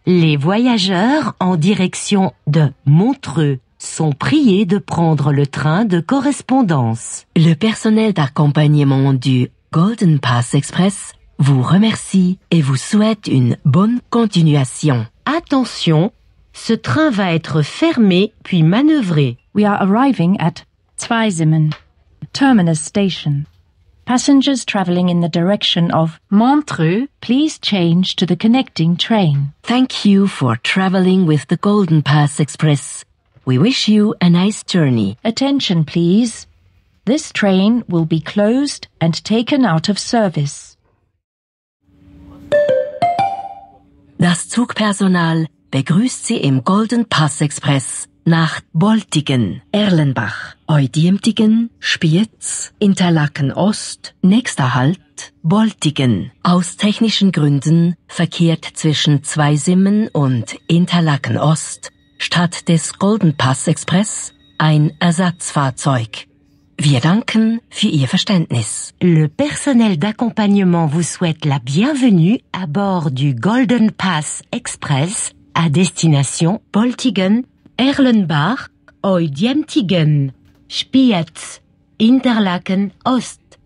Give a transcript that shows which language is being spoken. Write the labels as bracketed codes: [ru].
[fr] Les voyageurs en direction de Montreux sont priés de prendre le train de correspondance. Le personnel d'accompagnement du Golden Pass Express vous remercie et vous souhaite une bonne continuation. Attention, ce train va être fermé puis manœuvré. [en] We are arriving at Zweisimmen. Terminus station. Passengers traveling in the direction of Montreux, please change to the connecting train. Thank you for traveling with the Golden Pass Express. We wish you a nice journey. Attention, please. This train will be closed and taken out of service. [de] Das Zugpersonal begrüßt Sie im Golden Pass Express nach Boltigen, Erlenbach, Eudiemtigen, Spiez, Interlaken Ost, nächster Halt, Boltigen. Aus technischen Gründen verkehrt zwischen Zweisimmen und Interlaken Ost statt des Golden Pass Express ein Ersatzfahrzeug. Wir danken für Ihr Verständnis. [fr] Le personnel d'accompagnement vous souhaite la bienvenue à bord du Golden Pass Express à destination Boltigen, Erlenbach, Eudiemtigen, Spiez, Interlaken Ost.